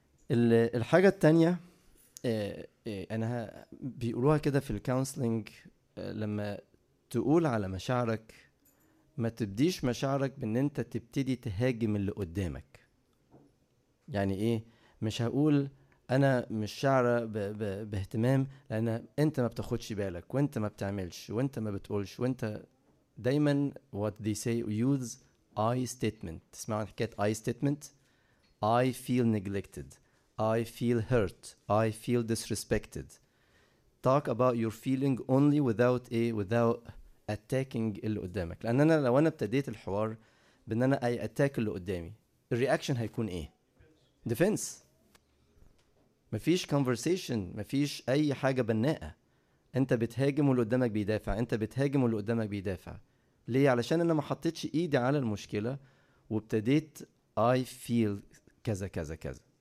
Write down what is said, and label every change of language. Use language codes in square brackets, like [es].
[ar] الحاجة التانية أنا بيقولوها كده في الكونسلينج، لما تقول على مشاعرك ما تبديش مشاعرك بأن أنت تبتدي تهاجم اللي قدامك. يعني إيه؟ مش هقول أنا مش شعرة باهتمام لأن أنت ما بتاخدش بالك وأنت ما بتعملش وأنت ما بتقولش وأنت دايما [en] what they say use I statement. [ar] تسمعون حكاية [en] I statement؟ I feel neglected, I feel hurt, I feel disrespected. Talk about your feeling only without a without attacking [ar] اللي قدامك. لأن أنا لو أنا ابتديت الحوار بأن أنا [en] I attack [ar] اللي قدامي، الرياكشن هيكون إيه؟ defense. مفيش conversation، مفيش أي حاجة بناءة. أنت بتهاجم واللي قدامك بيدافع، أنت بتهاجم واللي قدامك بيدافع. ليه؟ علشان أنا ما حطيتش إيدي على المشكلة وابتديت [en] I feel [ar] كذا كذا كذا.